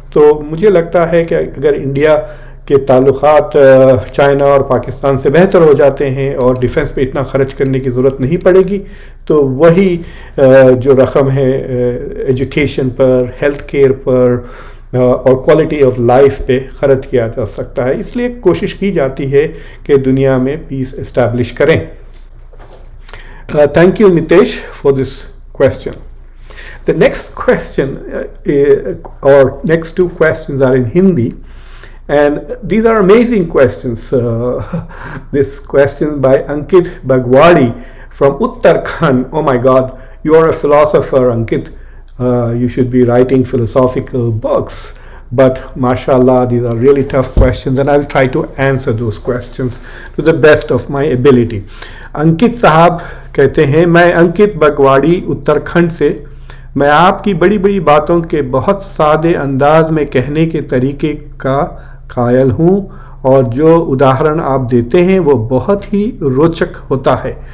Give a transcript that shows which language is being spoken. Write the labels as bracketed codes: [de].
[ur] تو مجھے لگتا ہے کہ اگر انڈیا کے تعلقات چائنا اور پاکستان سے بہتر ہو جاتے ہیں اور ڈیفنس پہ اتنا خرچ کرنے کی ضرورت نہیں پڑے گی, تو وہی جو رقم ہے ایجوکیشن پر, ہیلتھ کیئر پر اور کوالٹی آف لائف پہ خرچ کیا جا سکتا ہے. اس لیے کوشش کی جاتی ہے کہ دنیا میں پیس اسٹیبلش کریں. [en] Thank you Nitish for this question. The next question or next two questions are in Hindi, and these are amazing questions. This question by Ankit Bhagwai from Uttarakhand. Oh my God, you are a philosopher, Ankit. You should be writing philosophical books. But mashallah, these are really tough questions, and I'll try to answer those questions to the best of my ability. [ur] Ankit sahab kehte hain, [en] main Ankit Bhagwai Uttarakhand se, [ur] میں آپ کی بڑی بڑی باتوں کے بہت سادے انداز میں کہنے کے طریقے کا قائل ہوں, اور جو اداہرن آپ دیتے ہیں وہ بہت ہی روچک ہوتا ہے.